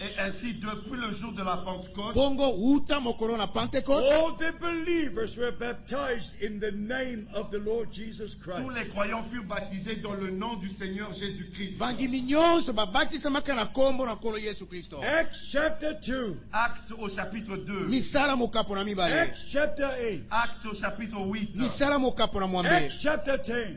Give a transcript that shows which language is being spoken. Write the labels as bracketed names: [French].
[French] Et ainsi depuis le jour de la Pentecôte. [English] All the believers were baptized in the name of the Lord Jesus Christ. [French] Tous les croyants furent baptisés dans le nom du Seigneur Jésus Christ. [English] Acts chapter 2. [French] Acts au chapitre 2. [English] Acts chapter 8. [French] Acts au chapitre 8. [English] Acts chapter 10.